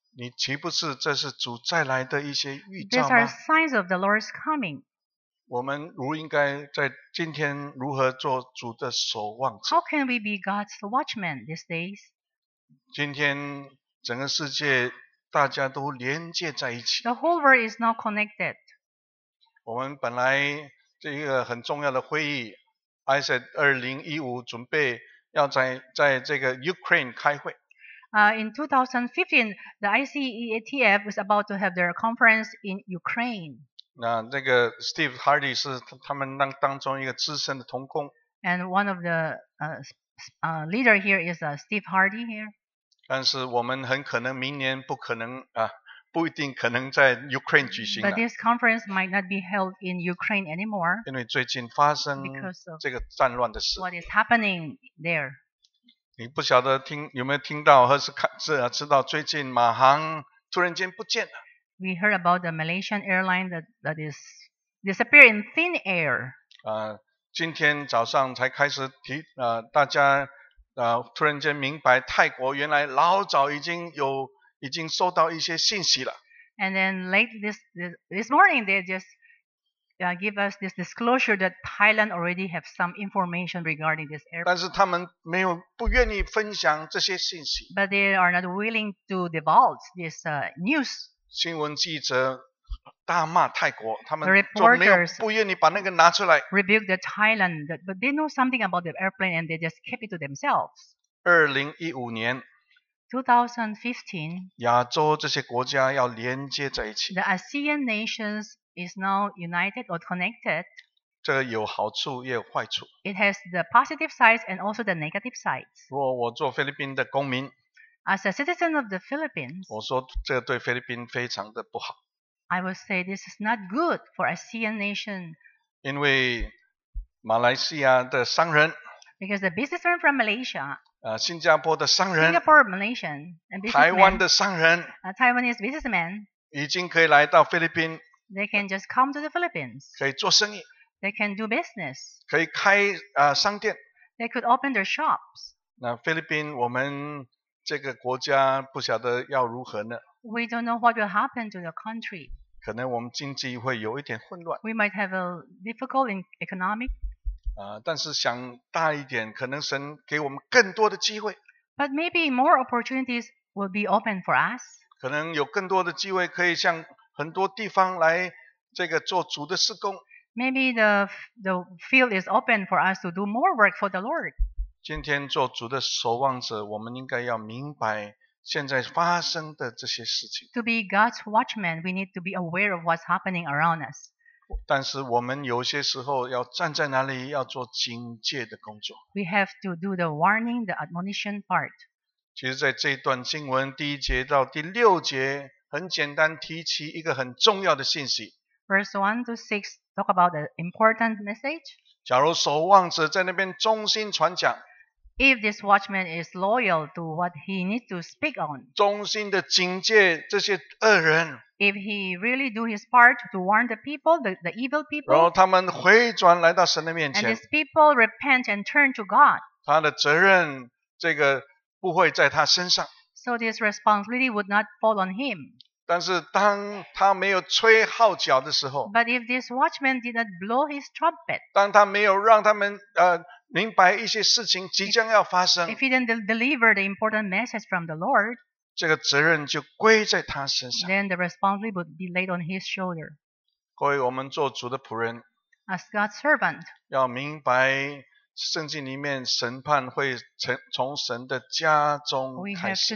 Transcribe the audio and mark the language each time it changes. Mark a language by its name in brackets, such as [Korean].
[Chinese] 你岂不是这是主再来的一些预兆吗？ [English] These are signs of the Lord's coming. [Chinese] 我们如应该在今天如何做主的守望者？ [English] How can we be God's watchmen these days? [Chinese] 今天整个世界大家都连接在一起。 [English] The whole world is now connected. [Chinese] 我们本来这一个很重要的会议 ISED 2015准备要 在这个 Ukraine 开会。 [English] In 2015, the ICETF was about to have their conference in Ukraine. [Chinese] 那这个 Steve Hardy 是他们当中一个资深的同工。 [English] And one of the leader here is Steve Hardy here. [Chinese] 但是我们很可能明年不可能啊，不一定可能在 Ukraine 举行了。 [English] But this conference might not be held in Ukraine anymore. [Chinese] 因为最近发生这个战乱的事。 [English] What is happening there? [Chinese] 你不晓得有没有听到或是看知道最近马航突然间不见了。 [English] We heard about the Malaysian airline that is disappeared in thin air. [Chinese] 今天早上才开始大家。突然间明白泰国原来老早已经收到一些信息了。 [English] And then late this morning, they just give us this disclosure that Thailand already have some information regarding this airport. [Chinese] 但是他们不愿意分享这些信息。 [English] But they are not willing to divulge this news. [Chinese] 新闻记者大骂泰国，他们就没有不愿意把那个拿出来。 [English] Rebuke the Thailand, but they know something about the airplane and they just keep it to themselves. [Chinese] 2015年 [English] 2015, [Chinese] 亚洲这些国家要连接在一起。 [English] The ASEAN nations is now united or connected. [Chinese] 这个有好处也有坏处。 [English] It has the positive sides and also the negative sides. [Chinese] 如果我做菲律宾的公民 [English] ，As a citizen of the Philippines, [Chinese] 我说这对菲律宾非常的不好。 [English] I would say this is not good for ASEAN nation. [Chinese] 因为马来西亚的商人 [English] Because the businessman from Malaysia. [Chinese] 新加坡的商人 [English] Singapore, Malaysian, and businessman. [Chinese] 台湾的商人 [English] A Taiwanese businessman. [Chinese] 已经可以来到菲律宾 [English] They can just come to the Philippines. [Chinese] 可以做生意 [English] They can do business. [Chinese] 可以开商店 [English] They could open their shops. [Chinese] 那菲律宾我们这个国家不晓得要如何呢 [English] We don't know what will happen to the country. [Chinese] 可能我们经济会有一点混乱。 [English] We might have a difficult in economic. [Chinese] 但是想大一点，可能神给我们更多的机会。 [English] But maybe more opportunities will be open for us. [Chinese] 可能有更多的机会可以向很多地方来这个做主的事工。 [English] Maybe the field is open for us to do more work for the Lord. [Chinese] 今天做主的守望者，我们应该要明白现在发生的这些事情。 [English] To be God's watchman, we need to be aware of what's happening around us. [Chinese] 但是我们有些时候要站在哪里，要做警戒的工作。 [English] We have to do the warning, the admonition part. [Chinese] 其实在这一段经文第一节到第六节，很简单提起一个很重要的信息。 [English] Verse 1 to 6 talk about an important message. [Chinese] 假如守望者在那边忠心传讲。 [English] If this watchman is loyal to what he needs to speak on, [Chinese] 忠心的警戒这些恶人。 [English] If he really do his part to warn the people, the evil people, [Chinese] 然后他们回转来到神的面前。 [English] And his people repent and turn to God. [Chinese] 他的责任这个不会在他身上。 [English] So this responsibility would not fall on him. [Chinese] 但是当他没有吹号角的时候。 [English] But if this watchman did not blow his trumpet, [Chinese] 当他没有让他们明白一些事情即将要发生。 [English] If he didn't deliver the important message from the Lord, [Chinese] 这个责任就归在他身上。 [English] Then the responsibility would be laid on his shoulder. [Chinese] 各位，我们做主的仆人。 [English] As God's servant. [Chinese] 要明白圣经里面审判会从神的家中开始。